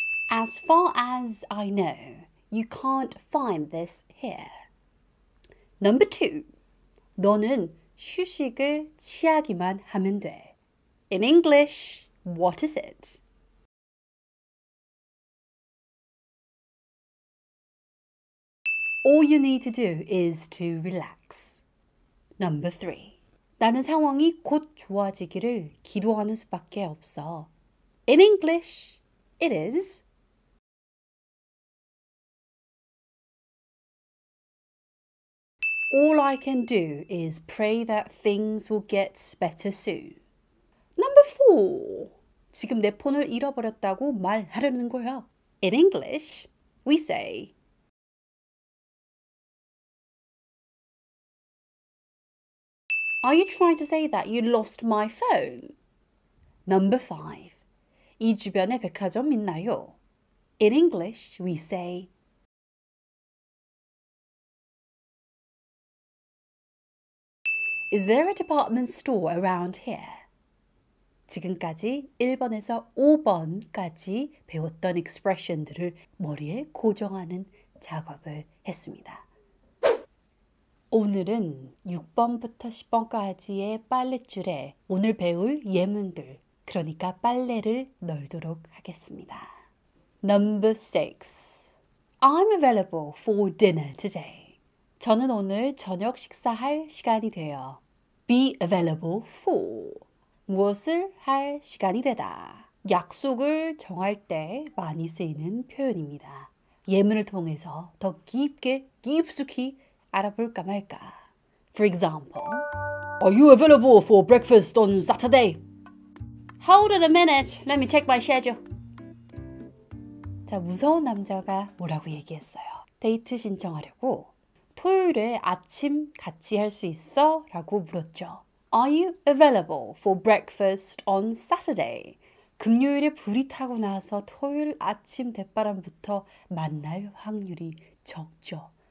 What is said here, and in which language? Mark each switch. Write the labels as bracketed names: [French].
[English] As far as I know, you can't find this here. Number 2. [Korean] 너는 휴식을 취하기만 하면 돼. [English] In English, what is it? All you need to do is to relax. Number 3. [Korean] 나는 상황이 곧 좋아지기를 기도하는 수밖에 없어. [English] In English, it is. All I can do is pray that things will get better soon. Number 4. [Korean] 지금 내 폰을 잃어버렸다고 말하려는 거야. [English] In English, we say, Are you trying to say that you lost my phone? Number 5. [Korean] 이 주변에 백화점 있나요? [English] In English, we say, Is there a department store around here? [Korean] 지금까지 1번에서 5번까지 배웠던 expression들을 머리에 고정하는 작업을 했습니다. 오늘은 6번부터 10번까지의 빨랫줄에 오늘 배울 예문들, 그러니까 빨래를 널도록 하겠습니다. [English] Number 6. I'm available for dinner today. [Korean] 저는 오늘 저녁 식사할 시간이 돼요. [English] Be available for [Korean] 무엇을 할 시간이 되다. 약속을 정할 때 많이 쓰이는 표현입니다. 예문을 통해서 더 깊숙이 알아볼까 말까. [English] For example, Are you available for breakfast on Saturday? Hold it a minute. Let me check my schedule. [Korean] 자, 무서운 남자가 뭐라고 얘기했어요? 데이트 신청하려고 토요일에 아침 같이 할 수 있어? 라고 물었죠. [English] Are you available for breakfast on Saturday? [Korean] 금요일에 불이 타고 나서 토요일 아침 대바람부터 만날 확률이 적죠.